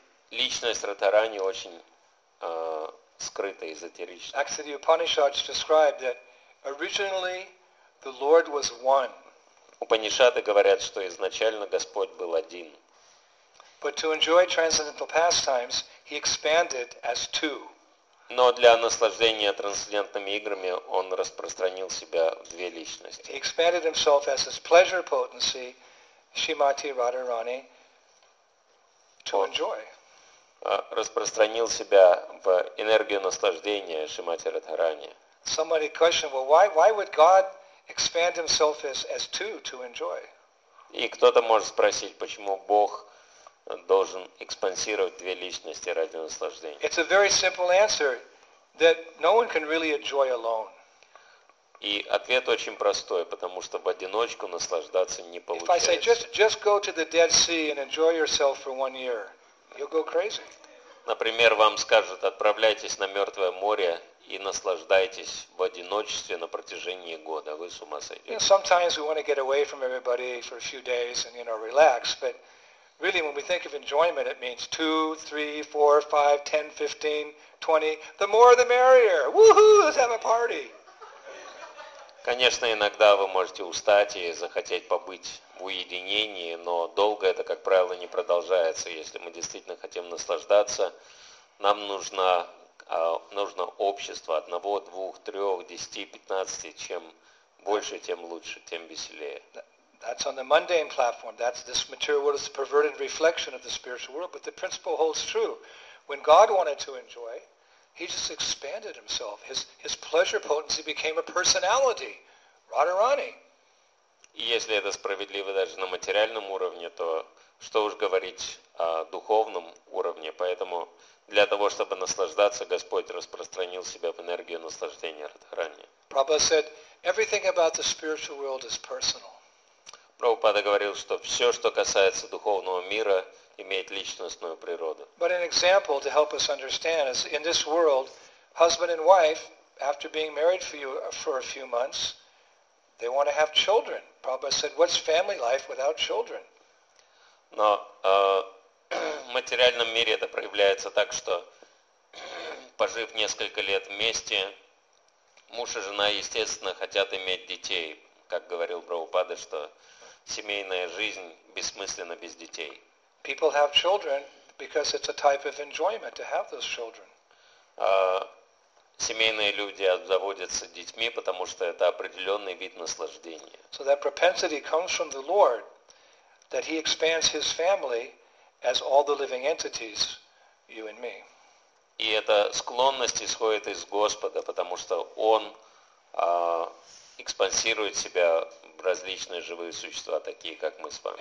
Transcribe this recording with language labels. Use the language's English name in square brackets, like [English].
[Russian] Личность Радхарани очень скрытой, эзотеричной. [English] Actually, the Upanishads describe that originally the Lord was one. [Russian] Упанишады говорят, что изначально Господь был один. [English] But to enjoy transcendental pastimes, he expanded as two. [Russian] Но для наслаждения трансцендентными играми он распространил себя в две личности. [English] He expanded himself as his pleasure potency, Shrimati Radharani, to enjoy. [Russian] Распространил себя в энергию наслаждения Шримати Радхарани. [English] Somebody questioned, well, why would God expand himself as two to enjoy? [Russian] И кто-то может спросить, почему Бог должен экспансировать две личности ради наслаждения? [English] It's a very simple answer, that no one can really enjoy alone. [Russian] И ответ очень простой, потому что в одиночку наслаждаться не получается. [English] If I say, just go to the Dead Sea and enjoy yourself for one year, you'll go crazy. [Russian] Например, вам скажут, отправляйтесь на Мертвое море и наслаждайтесь в одиночестве на протяжении года, вы с ума сойдете. [English] You know, sometimes we want to get away from everybody for a few days and, you know, relax, but really when we think of enjoyment, it means 2, 3, 4, 5, 10, 15, 20. The more the merrier. Woohoo, let's have a party. [Russian] Конечно, иногда вы можете устать и захотеть побыть в уединении, но долго это, как правило, не продолжается. Если мы действительно хотим наслаждаться, нам нужно общество 1, 2, 3, 10, 15. Чем больше, тем лучше, тем веселее. [English] That's on the mundane platform. That's this material world. It's a perverted reflection of the spiritual world. But the principle holds true. When God wanted to enjoy, he just expanded himself. His pleasure potency became a personality. Radharani. [Russian] И если это справедливо даже на материальном уровне, то что уж говорить о духовном уровне. Поэтому для того, чтобы наслаждаться, Господь распространил себя в энергию наслаждения Радхарани. [English] Prabhupada said, everything about the spiritual world is personal. [Russian] Прабхупада говорил, что все, что касается духовного мира, имеет личностную природу. [English] But an example to help us understand is in this world, husband and wife, after being married for a few months, they want to have children. Prabhupada said, what's family life without children? [Russian] Но в материальном мире это проявляется так, что пожив несколько лет вместе, муж и жена, естественно, хотят иметь детей. Как говорил Прабхупада, что семейная жизнь бессмысленна без детей. [English] People have children because it's a type of enjoyment to have those children. [Russian] Семейные люди обзаводятся детьми, потому что это определенный вид наслаждения. [English] So that propensity comes from the Lord, that He expands His family as all the living entities, you and me. [Russian] И эта склонность исходит из Господа, потому что Он экспансирует себя в различные живые существа, такие как мы с вами.